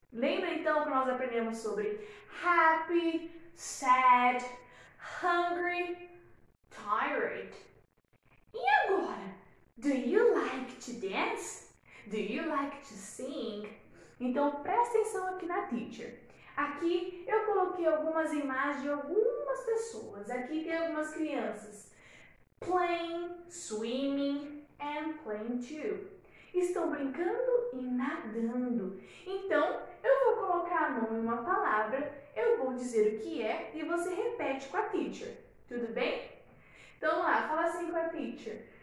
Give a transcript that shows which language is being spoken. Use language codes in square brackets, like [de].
[pt] Lembra então que nós aprendemos sobre [en] happy, sad, hungry, tired? [pt] E agora? [en] Do you like to dance? Do you like to sing? [pt] Então presta atenção aqui na teacher. Aqui eu coloquei algumas imagens de algumas pessoas. Aqui tem algumas crianças. [en] Playing, swimming and playing too. [pt] Estão brincando e nadando. Então, eu vou colocar a mão em uma palavra, eu vou dizer o que é e você repete com a teacher. Tudo bem? Então, lá, fala assim com a teacher.